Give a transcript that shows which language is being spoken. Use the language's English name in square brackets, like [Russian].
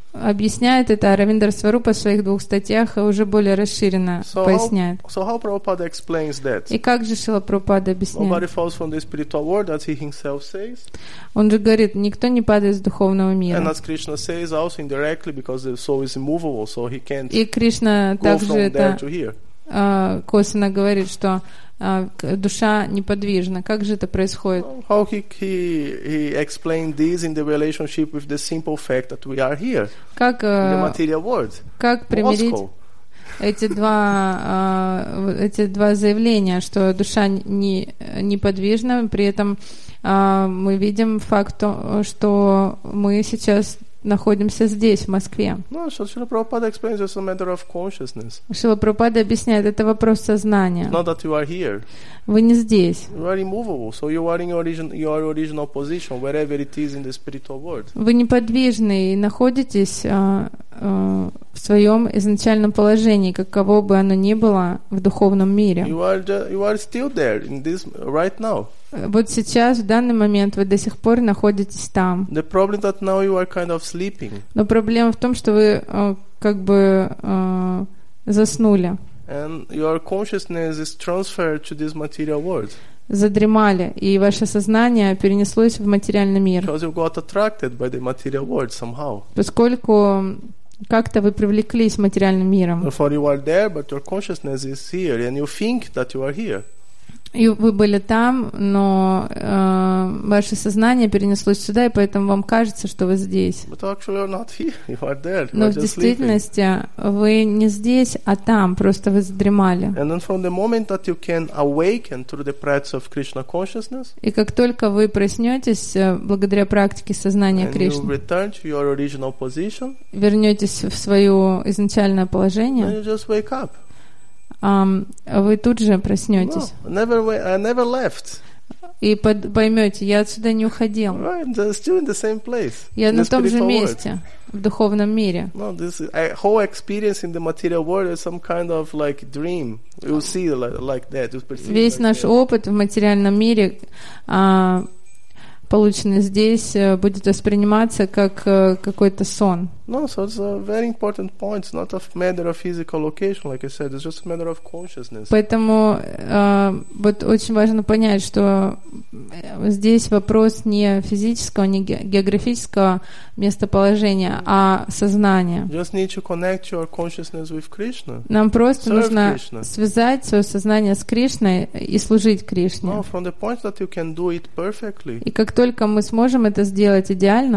[Russian] Объясняет это Равиндра Сварупа в своих двух статьях, и уже более расширенно поясняет. [English] How Prabhupada explains that? [Russian] И как же Шрила Прабхупада объясняет? [English] Nobody falls from the spiritual world, as he himself says. [Russian] Он же говорит, никто не падает с духовного мира. [English] And as Krishna says also indirectly, because the soul is immovable, so he can't [Russian] и Кришна также это косвенно говорит, что душа неподвижна. Как же это происходит? [English] How he explained this in the relationship with the simple fact that we are here? [Russian] Как, [English] in the material world? [Russian] Как примирить эти два заявления, что душа неподвижна, при этом мы видим факт, что мы сейчас находимся здесь, в Москве. [English] Шрила Прабхупада explains it's a matter of consciousness. [Russian] Шрила Прабхупада объясняет, это вопрос сознания. [English] Not that you are here. [Russian] Вы не здесь. [English] You are immovable, so you are in your original position, wherever it is in the spiritual world. [Russian] Вы неподвижны и находитесь в своем изначальном положении, каково бы оно ни было в духовном мире. [English] You are still there in this right now. [Russian] Вот сейчас, в данный момент, вы до сих пор находитесь там. [English] The problem that now you are kind of sleeping. [Russian] Но проблема в том, что вы заснули. [English] And your consciousness is transferred to this material world. [Russian] Задремали, и ваше сознание перенеслось в материальный мир. [English] Because you got attracted by the material world somehow. [Russian] Поскольку как-то вы привлеклись материальным миром. [English] Therefore you are there, but your consciousness is here, and you think that you are here. [Russian] И вы были там, но ваше сознание перенеслось сюда, и поэтому вам кажется, что вы здесь. [English] But actually you're not here. You are there. [Russian] Но в действительности вы не здесь, а там, просто вы задремали. [English] And then from the moment that you can awaken through the practice of Krishna consciousness. [Russian] И как только вы проснетесь благодаря практике сознания Кришны. [English] And you return to your original position. [Russian] Вернетесь в свое изначальное положение. [English] Then you just wake up. [Russian] Вы тут же проснетесь. [English] No, I never left. [Russian] И поймете, я отсюда не уходил. [English] Right, still in the same place. [Russian] Я на том же месте, в духовном мире. [English] No, this whole experience in the material world is some kind of like dream. You see like that. [Russian] Весь наш опыт в материальном мире, полученный здесь, будет восприниматься как какой-то сон. [English] No, so it's a very important point. It's not a matter of physical location, like I said. It's just a matter of consciousness. [Russian] Поэтому вот очень важно понять, что здесь вопрос не физического, не географического местоположения, а сознания. [English] Just need to connect your consciousness with Krishna. [Russian] Нам просто нужно связать свое сознание с Кришной и служить Кришне. [English] No, from the point that you can do it perfectly. [Russian] И как только мы сможем это сделать идеально,